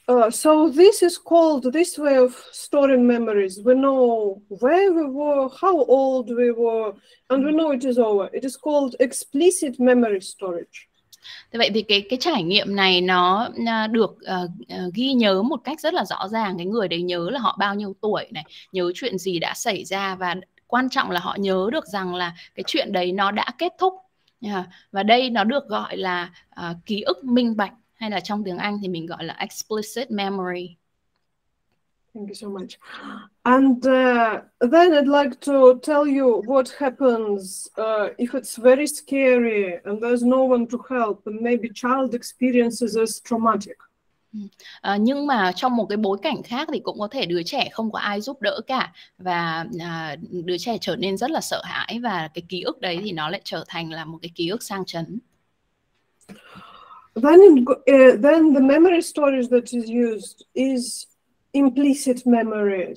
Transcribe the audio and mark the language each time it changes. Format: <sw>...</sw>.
<en>So this is called this way of storing memories. We know where we were, how old we were, and we know it is over. It is called explicit memory storage.</en> <vi>Thế vậy thì cái trải nghiệm này nó được ghi nhớ một cách rất là rõ ràng. Cái người đấy nhớ là họ bao nhiêu tuổi này, nhớ chuyện gì đã xảy ra, và quan trọng là họ nhớ được rằng là cái chuyện đấy nó đã kết thúc. Và đây nó được gọi là ký ức minh bạch, hay là trong tiếng Anh thì mình gọi là explicit memory.</vi> <en>Thank you so much. And then I'd like to tell you what happens if it's very scary and there's no one to help, and maybe child experiences as traumatic.</en> <vi>Nhưng mà trong một cái bối cảnh khác thì cũng có thể đứa trẻ không có ai giúp đỡ cả, và đứa trẻ trở nên rất là sợ hãi, và cái ký ức đấy thì nó lại trở thành là một cái ký ức sang chấn.</vi> <en>Then the memory storage that is used is implicit memory.</en>